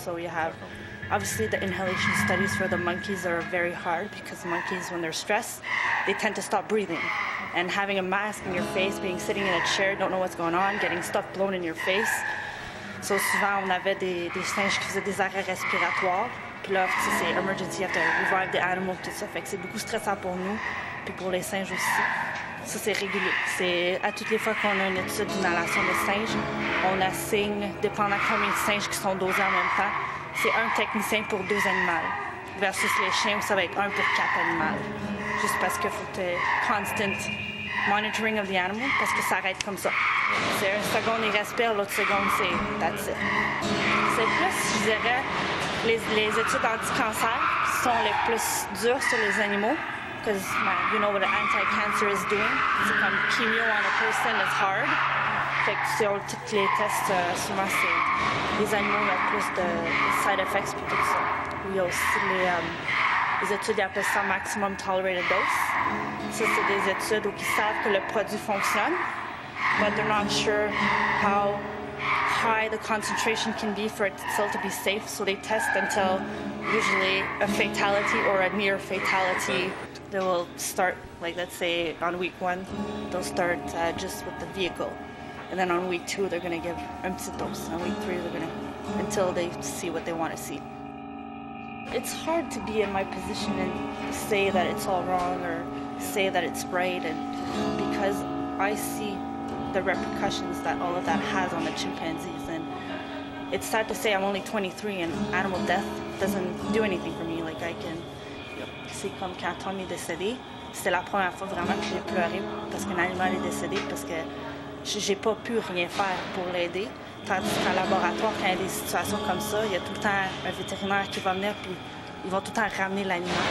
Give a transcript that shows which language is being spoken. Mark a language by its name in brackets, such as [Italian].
[English] So you have, obviously, the inhalation studies for the monkeys are very hard because monkeys, when they're stressed, they tend to stop breathing. And having a mask in your face, being sitting in a chair, don't know what's going on, getting stuff blown in your face. [French] So souvent, on avait des singes qui faisaient des arrêts respiratoires. Puis là, c'est [English] emergency, you have to revive the animal, [French] tout ça. Fait que c'est beaucoup stressant pour nous, puis pour les singes aussi. Ça, c'est régulier. C'est à toutes les fois qu'on a une étude d'inhalation de singes, on assigne, dépendant combien de singes qui sont dosés en même temps, c'est un technicien pour deux animaux. Versus les chiens, où ça va être un pour quatre animaux. Juste parce que faut être [English] constant monitoring of the animal, [French] parce que ça arrête comme ça. C'est une seconde, il respire, l'autre seconde, c'est [English] that's it. [French] C'est plus, je dirais, les études anti-cancer sont les plus dures sur les animaux. [English] Because you know what an anti-cancer is doing. [French] C'est comme [English] chemo on a person is hard. [French] Fait que sur tous les tests, souvent c'est les animaux ont plus de side effects puis tout ça. Il y a aussi les études appellent ça maximum tolerated dose. Ça c'est des études où ils savent que le produit fonctionne, [English] but they're not sure how high the concentration can be for it still to be safe. So they test until usually a fatality or a near fatality. They will start, like, let's say on week one, they'll start just with the vehicle. And then on week two, they're going to give [French] petite dose. [English] On week three, they're going to, until they see what they want to see. It's hard to be in my position and say that it's all wrong or say that it's right, and because I see the repercussions that all of that has on the chimpanzees. And it's sad to say I'm only 23 and animal death doesn't do anything for me. Like, I can... [French] C'est comme quand Tom est décédé, c'était la première fois vraiment que j'ai pleuré parce qu'un animal est décédé, parce que j'ai pas pu rien faire pour l'aider. Tandis qu'en laboratoire, quand il y a des situations comme ça, il y a tout le temps un vétérinaire qui va venir puis ils vont tout le temps ramener l'animal.